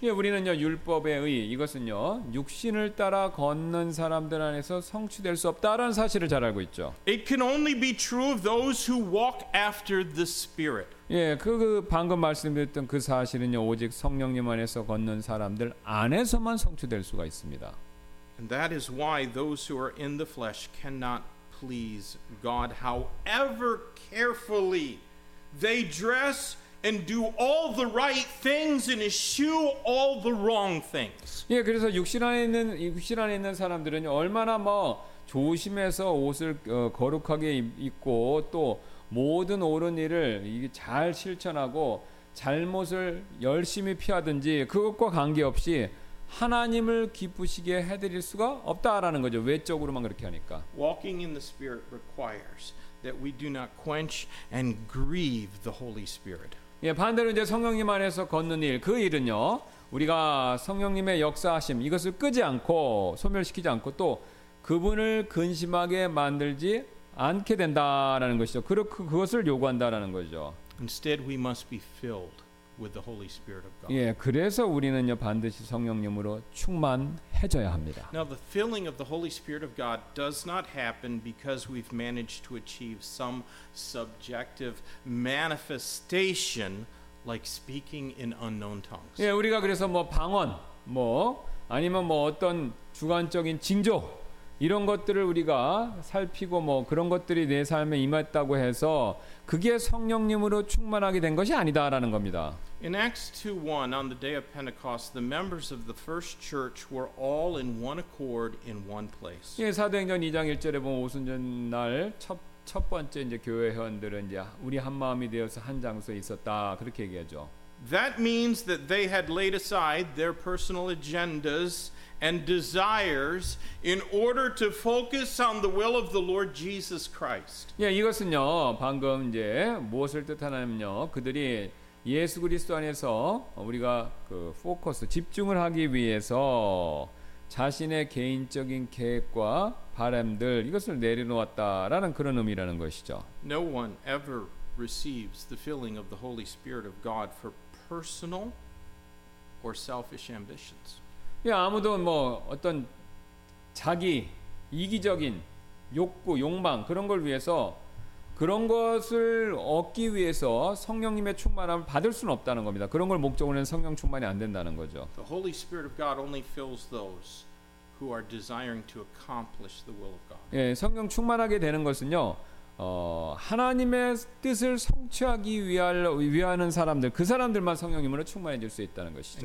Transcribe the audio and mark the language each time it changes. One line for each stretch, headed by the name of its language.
Korean: 예, 우리는요 율법의 의 이것은요 육신을 따라 걷는 사람들 안에서 성취될 수 없다라는 사실을 잘 알고 있죠.
English: It can only be true of those who walk after the Spirit.
Korean: 예, 그 방금 말씀드렸던 그 사실은요 오직 성령님 안에서 걷는 사람들 안에서만 성취될 수가 있습니다.
English: And that is why those who are in the flesh cannot please God, however carefully they dress and do all the right things and eschew all the wrong things.
Korean: 예, 그래서 육신 안에 있는 사람들은 얼마나 뭐 조심해서 옷을 거룩하게 입고 또 모든 옳은 일을 잘 실천하고 잘못을 열심히 피하든지 그것과 관계없이 하나님을 기쁘시게 해드릴 수가 없다라는 거죠. 외적으로만 그렇게 하니까.
English: Walking in the Spirit requires that we do not quench and grieve the Holy Spirit.
Korean: 예, 반대로 이제 성령님 안에서 걷는 일, 그 일은요, 우리가 성령님의 역사하심 이것을 끄지 않고 소멸시키지 않고 또 그분을 근심하게 만들지 않게 된다라는 것이죠. 그것을 요구한다라는 거죠.
English: Instead, we must be filled. With the Holy Spirit of God.
Korean: 예, 그래서 우리는요 반드시 성령님으로 충만해져야 합니다.
English: Now the filling of the Holy Spirit of God does not happen because we've managed to achieve some subjective manifestation like speaking in unknown tongues.
Korean: 예, 우리가 그래서 뭐 방언, 뭐 아니면 뭐 어떤 주관적인 징조 이런 것들을 우리가 살피고 뭐 그런 것들이 내 삶에 임했다고 해서 그게 성령님으로 충만하게 된 것이 아니다라는 겁니다.
English: In Acts 2:1 on the day of Pentecost the members of the first church were all in one accord in one place.
Korean: 예, 사도행전 2장 1절에 보면 오순절 날 첫 번째 이제 교회 회원들은 이제 우리 한 마음이 되어서 한 장소에 있었다. 그렇게 얘기하죠.
English: That means that they had laid aside their personal agendas and desires in order to focus on the will of the Lord Jesus Christ.
Korean: 예, 이것은요 방금 이제 무엇을 뜻하냐면요 그들이 예수 그리스도 안에서 우리가 그 포커스 집중을 하기 위해서 자신의 개인적인 계획과 바람들 이것을 내려놓았다라는 그런 의미라는 것이죠.
English: No one ever receives the filling of the Holy Spirit of God for personal or selfish ambitions.
Korean: 예, 아무도 뭐 어떤 자기 이기적인 욕구, 욕망 그런 걸 위해서 그런 것을 얻기 위해서 성령님의 충만함을 받을 수는 없다는 겁니다. 그런 걸 목적으로는 성령 충만이 안 된다는 거죠.
English: The Holy Spirit of God only fills those who are desiring to accomplish the will of God.
Korean: 예, 성령 충만하게 되는 것은요. 하나님의 뜻을 성취하기 위하는 사람들, 그 사람들만 성령님으로 충만해질 수 있다는 것이죠.